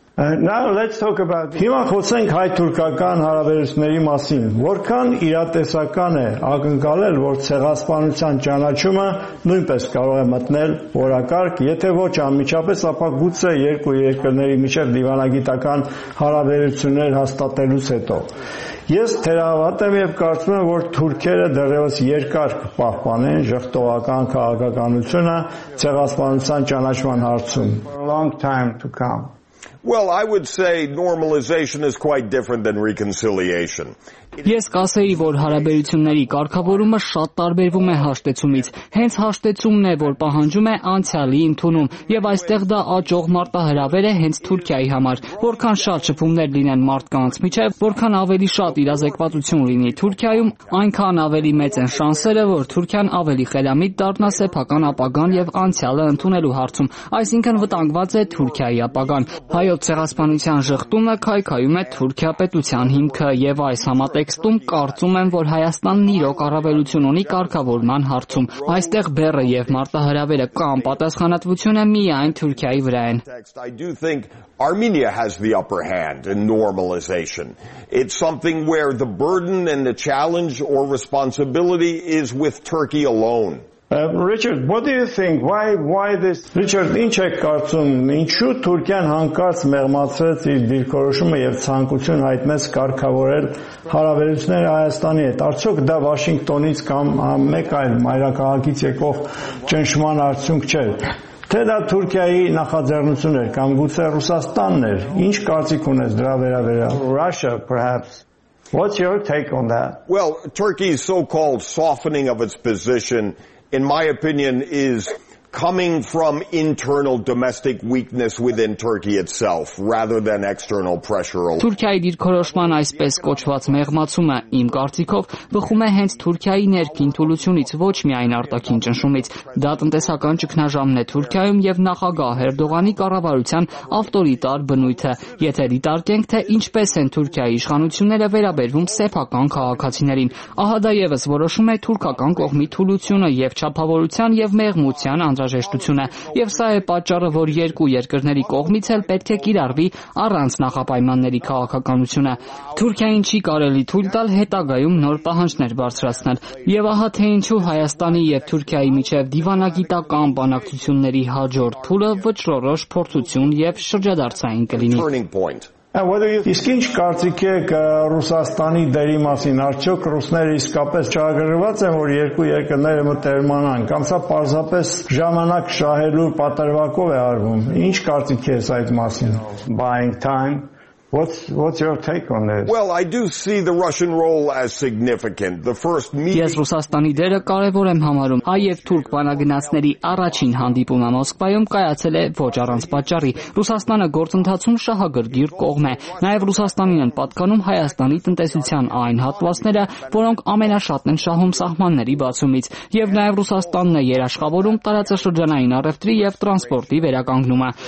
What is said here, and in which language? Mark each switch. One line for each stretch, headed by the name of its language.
English: Now let's talk about
Armenian: Հիմա խոսենք հայ-թուրքական հարաբերությունների մասին։ Որքան իրատեսական է ակնկալել, որ ցեղասպանության ճանաչումը նույնպես կարող է մտնել որակարգ, եթե ոչ անմիջապես, ապա գուցե երկու երկրների միջև դիվանագիտական հարաբերություններ հաստատելուց հետո։ Ես թերահավատ եմ եւ կարծում եմ, որ թուրքերը դեռևս երկար կպահպանեն ժխտողական քաղաքականությունը ցեղասպանության ճանաչման հարցում։
English: Long time to come. Well, I would say normalization is quite different than reconciliation.
Armenian: Ես կասեի, որ հարաբերությունների կարգավորումը շատ տարբերվում է հաշտեցումից։ Հենց հաշտեցումն է, որ պահանջում է անցյալի ընդունում, եւ այստեղ դա աճող մարտահրավեր է հենց Թուրքիայի համար։ Որքան շատ շփումներ լինեն մարդկանց միջև, որքան ավելի շատ իրազեկվածություն լինի Թուրքիայում, այնքան ավելի մեծ են շանսերը, որ Թուրքիան ավելի խելամիտ դառնա սեփական ապագան եւ անցյալը ընդունելու հարցում։ Այսինքն վտանգված է Թուրքիայի ապագան։ Հայոց ցեղասպանության ժխտումը քայքայում է Թուրքիա պետության հիմքը, եւ այս համատեքստում կարծում եմ, որ Հայաստանն իր օկառավելություն ունի կարգավորման հարցում։ Այստեղ բերը եւ մարտահրավերը կամ պատասխանատվությունը միայն Թուրքիայի վրա են։
English: I do think Armenia has the upper hand in normalization. It's something where the burden and the challenge or responsibility is with Turkey alone. Richard, what do you think? Why this?
Armenian: Richard, ինչ եք կարծում, ինչու Թուրքիան հանկարծ մեղմացրեց իր դիրքորոշումը եւ ցանկություն հայտնեց կարգավորել հարաբերությունները Հայաստանի հետ? Արդյոք դա Վաշինգտոնից կամ մեկ այլ մայրաքաղաքից եկող ճնշման արդյունք չէ, թե դա Թուրքիայի նախաձեռնությունն էր կամ գուցե Ռուսաստանն էր? Ինչ կարծիք ունես դրա վերաբերյալ?
English: Russia, perhaps. What's your take on that? Well, Turkey's so-called softening of its position, in my opinion, is coming from internal domestic weakness within Turkey itself rather than external pressure.
Armenian: Թուրքիայի դիրքորոշման այսպես կոչված մեղմացումը, իմ կարծիքով, բխում է հենց Թուրքիայի ներքին թուլությունից, ոչ միայն արտաքին ճնշումից։ Դա տնտեսական ճգնաժամն է Թուրքիայում եւ նախագահ Էրդողանի կառավարության ավտորիտար բնույթը, եթե դիտարկենք, թե ինչպես են Թուրքիայի իշխանությունները վերաբերվում սեփական քաղաքացիներին։ Ահա դա եւս որոշում է թուրքական կողմի թուլությունը եւ չափավորության եւ մեղմության անդրաժեշտությունը, եւ սա է պատճառը, որ երկու երկրների կողմից էլ պետք է կիրառվի առանց նախապայմանների քաղաքականությունը։ Թուրքիային չի կարելի թույլ տալ հետագայում նոր պահանջներ բարձրացնել, եւ ահա թե ինչու Հայաստանի եւ Թուրքիայի միջև դիվանագիտական բանակցությունների հաջորդ փուլը վճռորոշ փորձություն եւ շրջադարձային կլինի։ Իսկ ինչ կարծիք եք Ռուսաստանի դերի մասին? Արդյոք ռուսները իսկապես չարգրված են, որ երկու երկրները մտերմանան, կամ սա պարզապես ժամանակ շահելու պատրվակով է արվում? Ինչ կարծիք ես այդ մասին?
English: Buying time. What's your take on this? Well, I do see the Russian role as significant. The first meeting.
Armenian: Ես Ռուսաստանի դերը կարևոր եմ համարում։ Հայ եւ թուրք բանագնացների առաջին հանդիպումը Մոսկվայում կայացել է ոչ առանց պատճառի։ Ռուսաստանը գործընթացում շահագրգիռ կողմ է։ Նաեւ Ռուսաստանին են պատկանում Հայաստանի տնտեսության այն հատվածները, որոնք ամենաշատն են շահում սահմանների բացումից, եւ նաեւ Ռուսաստանն է երաշխավորում տարածաշրջանային առևտրի եւ տրանսպորտի վերականգնումը։